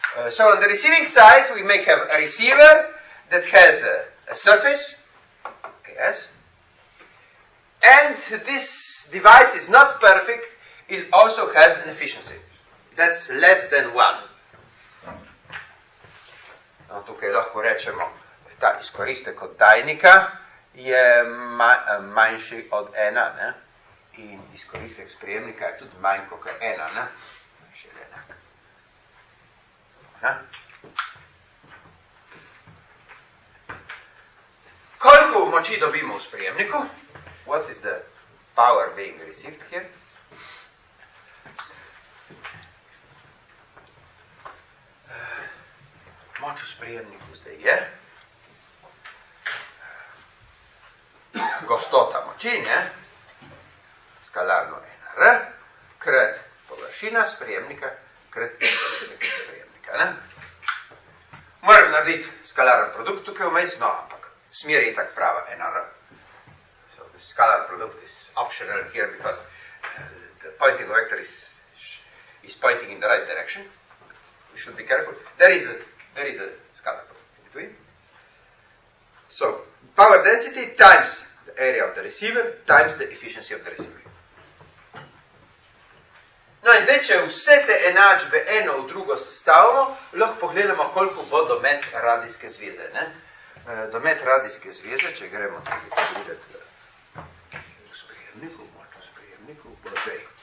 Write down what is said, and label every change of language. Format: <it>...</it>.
<en>So on the receiving side, we may have a receiver that has a surface. Yes. And this device is not perfect, it also has an efficiency. That's less than one.</en> <sl>No, tukaj lahko rečemo, ta izkoristek oddajnika je manjši od ena, ne? In izkoristek sprejemnika je tudi manj kot ena, ne? Še enak. Koliko moči dobimo v sprejemniku?</sl> <en>What is the power being received here?</en> <sl>Moč v sprejemniku zdaj je. Gostota moči, ne? Skalarno NR, krat površina sprejemnika, krat površina sprejemnika, ne? Moram narediti skalaren produkt tukaj vmes, no, ampak smer je tak prava NR.</sl> <en>So, skalar produkt is optional here, because the pointing vector is pointing in the right direction. We should be careful. There is a scalar product in between. So, power density times the area of the receiver times the efficiency of the receiver.</en> <sl>No in zdaj, če vse te enačbe eno v drugo sestavimo, lahko pogledamo, koliko bo domet radijske zveze. Ne? Domet radijske zveze, če gremo tudi pogledati v sprejemniku, bo zdaj.</sl>